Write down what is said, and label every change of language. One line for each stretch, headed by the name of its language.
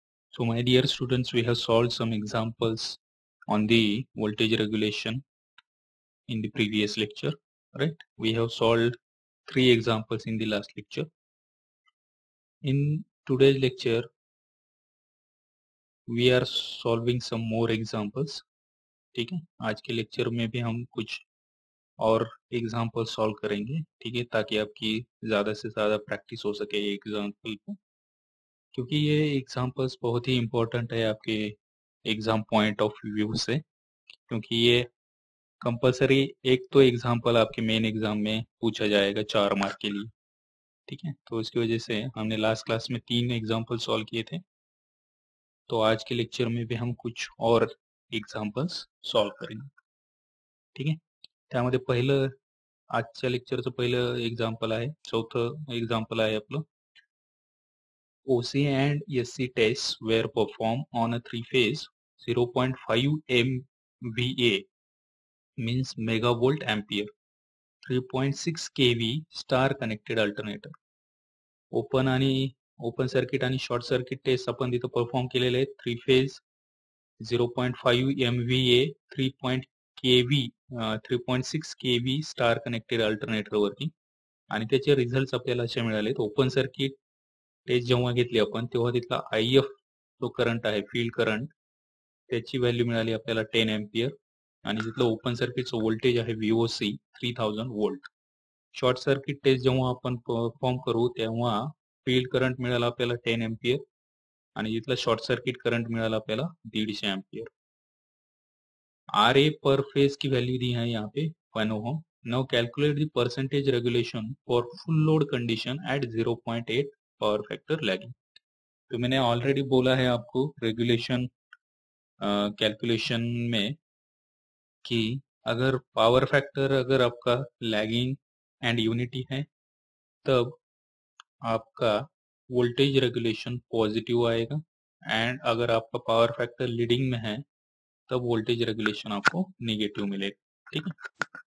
English: So my dear students, we have solved some examples on the voltage regulation in the previous lecture, right? We have solved three examples in the last lecture. In today's lecture, we are solving some more examples.
Hindi: ठीक है, आज के lecture में भी हम कुछ और example solve करेंगे, ठीक है, ताकि आपकी ज़्यादा से ज़्यादा प्रैक्टिस हो सके ये एग्जाम्पल को, क्योंकि ये एग्जाम्पल्स बहुत ही इम्पोर्टेंट है आपके एग्जाम पॉइंट ऑफ व्यू से, क्योंकि ये कंपलसरी एक तो एग्जाम्पल आपके मेन एग्जाम में पूछा जाएगा 4 मार्क के लिए, ठीक है। तो इसकी वजह से हमने लास्ट क्लास में 3 एग्जाम्पल सॉल्व किए थे, तो आज के लेक्चर में भी हम कुछ और एग्जाम्पल्स सॉल्व करेंगे, ठीक है।
Marathi: त्यामध्ये पहिलं, आजच्या लेक्चरचं पहिलं एक्झाम्पल आहे, चौथं एक्झाम्पल आहे आपलं,
English: O C and S C test were perform on a 3 phase 0.5 MVA means megavolt ampere 3.6 KV star connected alternator.
Marathi: Open आणि ओपन सर्किट आणि शॉर्ट सर्किट टेस्ट आपण तिथं परफॉर्म केलेले आहे, 3 phase 0.5 MVA 3.KV 3.6 KV star connected अल्टरनेटरवरती, आणि त्याचे result आपल्याला असे मिळाले, ओपन सर्किट टेस्ट जेव्हा घेतली आपण तेव्हा तिथला IF जो करंट आहे, फील्ड करंट, त्याची व्हॅल्यू मिळाली आपल्याला 10 एम्पियर, आणि तिथलं ओपन सर्किटचं व्होल्टेज आहे VOC 3000 volt. Short circuit taste जेव्हा आपण परफॉर्म करू तेव्हा फील्ड करंट मिळाला आपल्याला 10 एम्पियर, आणि तिथला शॉर्ट सर्किट करंट मिळाला आपल्याला 150 ampere.
Hindi: आर ए पर फेज की वैल्यू दी है यहाँ पे 1 ओम।
English: Now calculate the percentage regulation for full load condition at 0.8 power factor lagging.
Hindi: तो मैंने ऑलरेडी बोला है आपको रेगुलेशन कैलकुलेशन में कि अगर पावर फैक्टर अगर आपका लैगिंग एंड यूनिटी है तब आपका वोल्टेज रेगुलेशन पॉजिटिव आएगा, एंड अगर आपका पावर फैक्टर लीडिंग में है तब वोल्टेज रेगुलेशन आपको नेगेटिव मिलेगा, ठीक है।